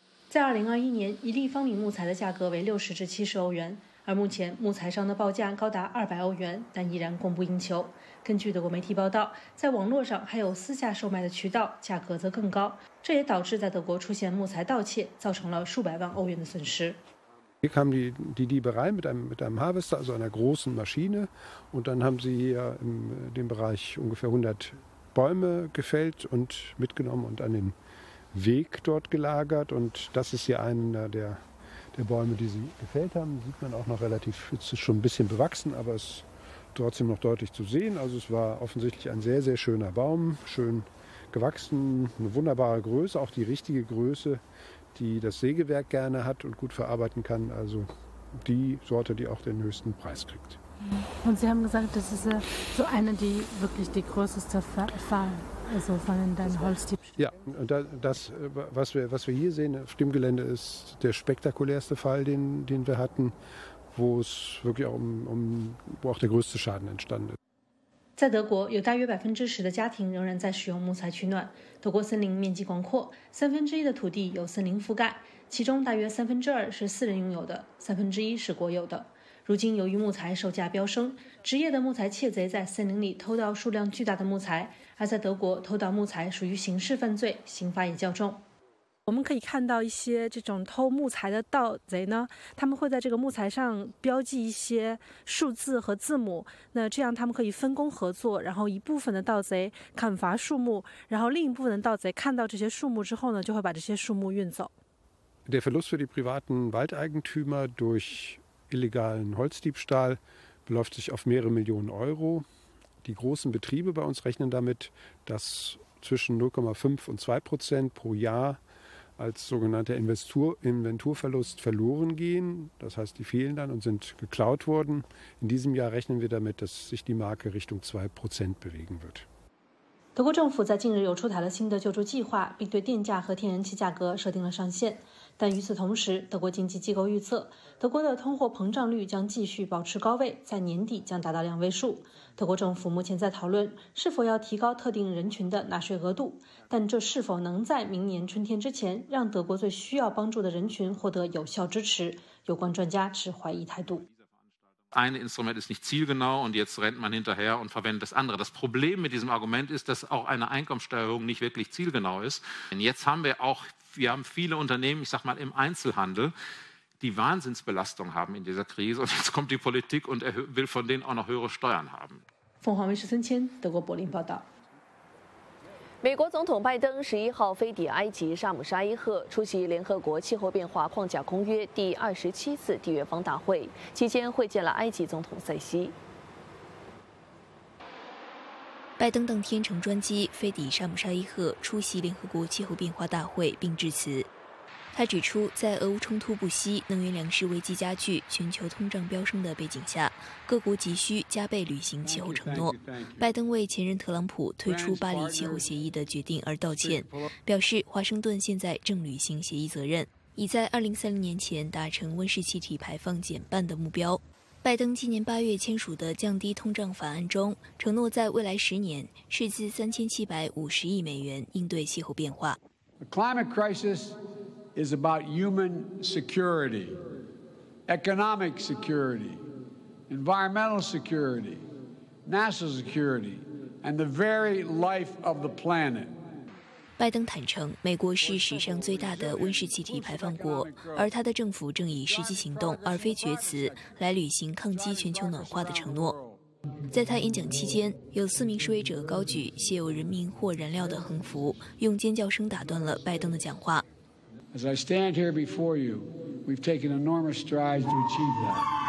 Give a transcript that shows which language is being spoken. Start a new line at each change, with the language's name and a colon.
Chinese: 在2021年，一立方米木材的价格为60至70欧元，而目前木材商的报价高达200欧元，但依然供不应求。根据德国媒体报道，在网络上还有私下售卖的渠道，价格则更高，这也导致在德国出现木材盗窃，造成了数百万欧元的损失。
German: Hier kamen die Diebe rein mit einem Harvester, also einer großen Maschine. Und dann haben sie hier in dem Bereich ungefähr 100 Bäume gefällt und mitgenommen und an den Weg dort gelagert. Und das ist hier einer der, der Bäume, die sie gefällt haben, sieht man auch noch relativ, jetzt ist schon ein bisschen bewachsen, aber es ist trotzdem noch deutlich zu sehen. Also es war offensichtlich ein sehr, sehr schöner Baum, schön gewachsen, eine wunderbare Größe, auch die richtige Größe, die das Sägewerk gerne hat und gut verarbeiten kann. Also die Sorte, die auch den höchsten Preis kriegt. Und Sie haben gesagt, das ist so eine, die wirklich die größte Farbe. Also von deinen Holztypen. Ja, und das, was wir hier sehen auf dem Gelände, ist der spektakulärste Fall, den wir hatten, wo es wirklich auch wo auch der größte Schaden entstanden ist.
Chinese: 在德国，有大约10%的家庭仍然在使用木材取暖。德国森林面积广阔，1/3的土地由森林覆盖，其中大约2/3是私人拥有的，1/3是国有的。如今，由于木材售价飙升，职业的木材窃贼在森林里偷盗数量巨大的木材。而在德国，偷盗木材属于刑事犯罪，刑罚也较重。我们可以看到一些这种偷木材的盗贼呢，他们会在这个木材上标记一些数字和字母，那这样他们可以分工合作，然后一部分的盗贼砍伐树木，然后另一部分的盗贼看到这些树木之后呢，就会把这些树木运走。
German: Der Verlust für die privaten Waldeigentümer durch illegalen Holzdiebstahl beläuft sich auf mehrere Millionen Euro. Die großen Betriebe bei uns rechnen damit, dass zwischen 0,5% und 2% pro Jahr als sogenannter Inventurverlust verloren gehen. Das heißt, die fehlen dann und sind geklaut worden. In diesem Jahr rechnen wir damit, dass sich die Marke Richtung 2% bewegen wird.
Chinese: 德国政府在近日又出台了新的救助计划，并对电价和天然气价格设定了上限。但与此同时，德国经济机构预测，德国的通货膨胀率将继续保持高位，在年底将达到两位数。德国政府目前在讨论是否要提高特定人群的纳税额度，但这是否能在明年春天之前让德国最需要帮助的人群获得有效支持，有关专家持怀疑态度。
German: Ein Instrument ist nicht zielgenau und jetzt rennt man hinterher und verwendet das andere. Das Problem mit diesem Argument ist, dass auch eine Einkommenssteuerung nicht wirklich zielgenau ist. Denn jetzt haben wir auch, wir haben viele Unternehmen, ich sag mal im Einzelhandel, die Wahnsinnsbelastung haben in dieser Krise und jetzt kommt die Politik und will von denen auch noch höhere Steuern haben.
Chinese: 凤凰卫视孙谦，德国柏林报道。美国总统拜登11号飞抵埃及沙姆沙伊赫，出席联合国气候变化框架公约第27次缔约方大会，期间会见了埃及总统塞西。拜登当天乘专机飞抵沙姆沙伊赫，出席联合国气候变化大会并致辞。他指出，在俄乌冲突不息、能源粮食危机加剧、全球通胀飙升的背景下，各国急需加倍履行气候承诺。拜登为前任特朗普退出巴黎气候协议的决定而道歉，表示华盛顿现在正履行协议责任，已在2030年前达成温室气体排放减半的目标。拜登今年8月签署的降低通胀法案中，承诺在未来10年斥资3750亿美元应对气候变化。
English: Is about human security, economic security, environmental security, national security, and the very life of the planet.
Chinese: 拜登坦承，美国是史上最大的温室气体排放国，而他的政府正以实际行动而非厥词来履行抗击全球暖化的承诺。在他演讲期间，有4名示威者高举写有人民或燃料的横幅，用尖叫声打断了拜登的讲话。
English: As I stand here before you, we've taken enormous strides to achieve that.